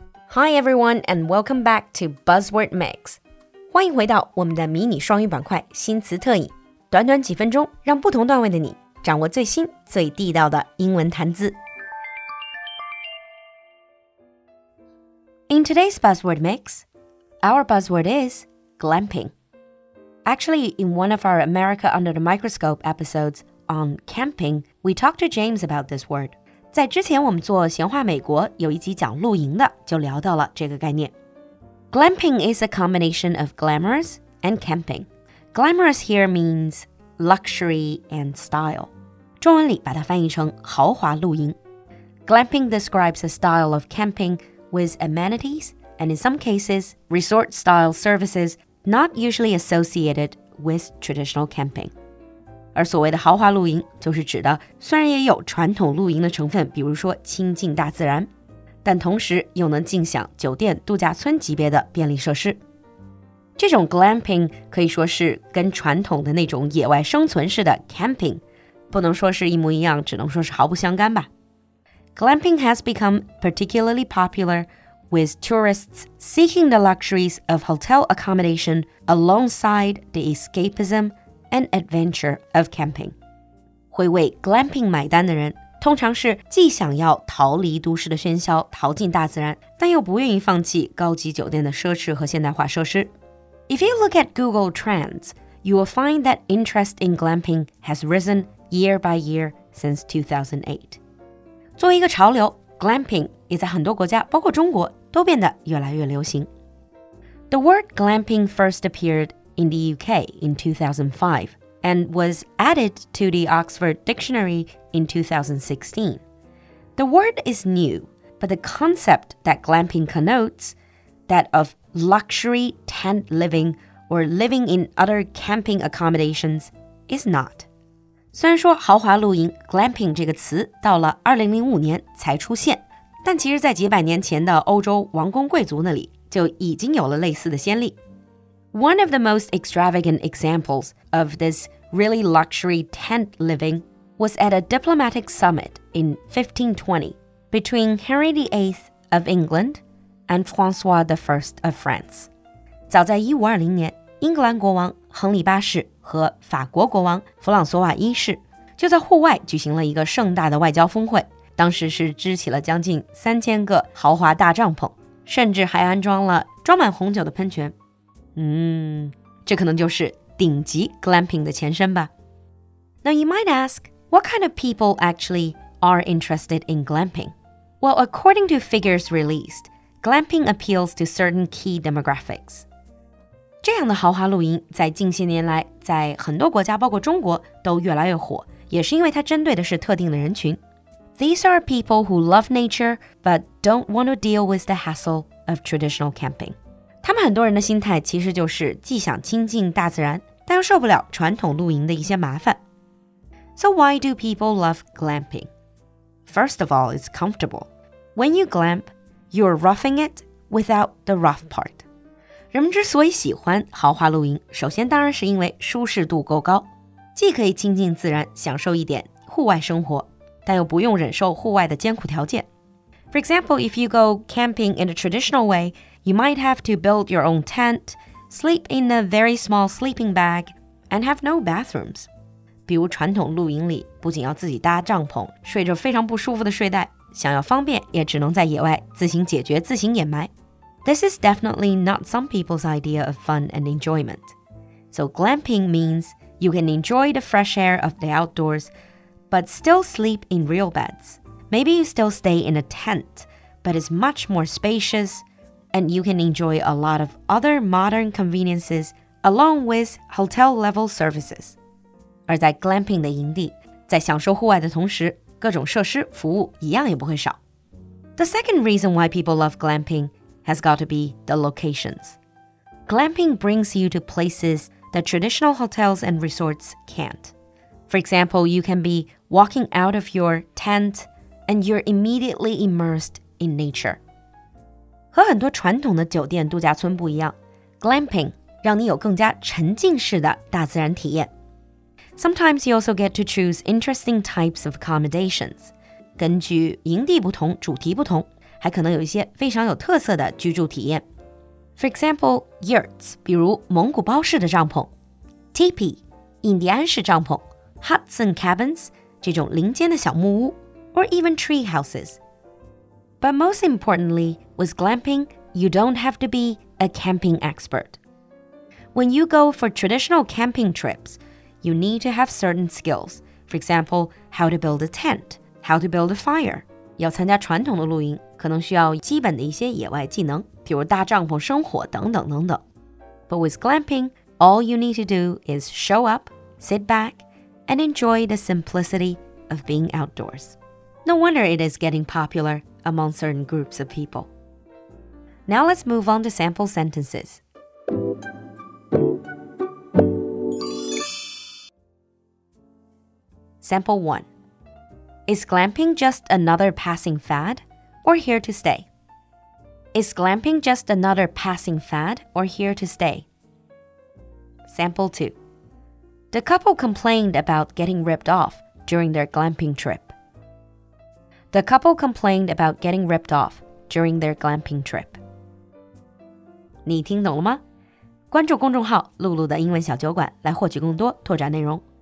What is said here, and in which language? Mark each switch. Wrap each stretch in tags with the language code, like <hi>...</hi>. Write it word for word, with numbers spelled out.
<en>Hi everyone and welcome back to Buzzword Mix.</en> <zh>欢迎回到我们的迷你双语板块新词特饮。短短几分钟，让不同段位的你掌握最新最地道的英文谈资。</zh> <en>In today's Buzzword Mix, our buzzword is glamping. Actually, in one of our America Under the Microscope episodes on camping, we talked to James about this word.</en> <zh>在之前我们做闲话美国有一集讲露营的就聊到了这个概念</zh> <en>Glamping is a combination of glamorous and camping. Glamorous here means luxury and style.</en> <zh>中文里把它翻译成豪华露营</zh> <en>Glamping describes a style of camping with amenities and in some cases resort-style services not usually associated with traditional camping.</en> <zh>而所谓的豪华露营就是指的虽然也有传统露营的成分比如说亲近大自然但同时又能尽享酒店度假村级别的便利设施这种 glamping 可以说是跟传统的那种野外生存式的 camping 不能说是一模一样只能说是毫不相干吧</zh> <en>Glamping has become particularly popular with tourists seeking the luxuries of hotel accommodation alongside the escapism An adventure of camping.</en> <zh>会为 glamping 买单的人，通常是既想要逃离都市的喧嚣，逃进大自然，但又不愿意放弃高级酒店的奢侈和现代化设施。</zh> <en>If you look at Google Trends, you will find that interest in glamping has risen year by year since two thousand eight.</en> <zh>作为一个潮流 glamping 也在很多国家，包括中国，都变得越来越流行。</zh> <en>The word glamping first appeared in the U K in two thousand five and was added to the Oxford Dictionary in two thousand sixteen. The word is new, but the concept that glamping connotes, that of luxury tent living or living in other camping accommodations, is not.</en> <zh>虽然说豪华露营 glamping 这个词到了二零零五年才出现，但其实在几百年前的欧洲王公贵族那里就已经有了类似的先例。</zh> <en>One of the most extravagant examples of this really luxury tent living was at a diplomatic summit in fifteen twenty between Henry the Eighth of England and Francois the First of France.</en> <zh>早在一五二零年，英格兰国王亨利八世和法国国王弗朗索瓦一世就在户外举行了一个盛大的外交峰会，当时是支起了将近三千个豪华大帐篷，甚至还安装了装满红酒的喷泉。嗯，这可能就是顶级 glamping 的前身吧。</zh> <en>Now you might ask, what kind of people actually are interested in glamping? Well, according to figures released, glamping appeals to certain key demographics.</en> <zh>这样的豪华露营在近些年来在很多国家包括中国都越来越火，也是因为它针对的是特定的人群。</zh> <en>These are people who love nature but don't want to deal with the hassle of traditional camping.</en> <zh>他们很多人的心态其实就是既想亲近大自然，但又受不了传统露营的一些麻烦。</zh> <en>So why do people love glamping? First of all, it's comfortable. When you glamp, you're roughing it without the rough part.</en> <zh>人们之所以喜欢豪华露营，首先当然是因为舒适度够高，既可以亲近自然，享受一点户外生活，但又不用忍受户外的艰苦条件。</zh> <en>For example, if you go camping in a traditional way,You might have to build your own tent, sleep in a very small sleeping bag, and have no bathrooms.</en> <zh>比如传统露营里，不仅要自己搭帐篷，睡着非常不舒服的睡袋，想要方便也只能在野外自行解决、自行掩埋。</zh> <en>This is definitely not some people's idea of fun and enjoyment. So glamping means you can enjoy the fresh air of the outdoors, but still sleep in real beds. Maybe you still stay in a tent, but it's much more spacious,And you can enjoy a lot of other modern conveniences along with hotel-level services.</en> <zh>而在 glamping 的营地，在享受户外的同时，各种设施服务一样也不会少。</zh> <en>The second reason why people love glamping has got to be the locations. Glamping brings you to places that traditional hotels and resorts can't. For example, you can be walking out of your tent and you're immediately immersed in nature.</en> <zh>和很多传统的酒店度假村不一样 glamping 让你有更加沉浸式的大自然体验</zh> <en>Sometimes you also get to choose interesting types of accommodations</en> <zh>根据营地不同主题不同还可能有一些非常有特色的居住体验。</zh> <en>For example, yurts,</en> <zh>比如蒙古包式的帐篷 ,teepee, 印第安式帐篷 ,</zh> <en>huts and cabins,</en> <zh>这种林间的小木屋</zh> <en>or even tree houses. But most importantly, with glamping, you don't have to be a camping expert. When you go for traditional camping trips, you need to have certain skills. For example, how to build a tent, how to build a fire. 要参加传统的露营，可能需要基本的一些野外技能，比如搭帐篷生火等等等等。 But with glamping, all you need to do is show up, sit back, and enjoy the simplicity of being outdoors. No wonder it is getting popular among certain groups of people. Now let's move on to sample sentences. Sample one. Is glamping just another passing fad or here to stay? Is glamping just another passing fad or here to stay? Sample two. The couple complained about getting ripped off during their glamping trip. The couple complained about getting ripped off during their glamping trip.</en> <zh>你听懂了吗？关注公众号露露的英文小酒馆来获取更多拓展内容。</zh>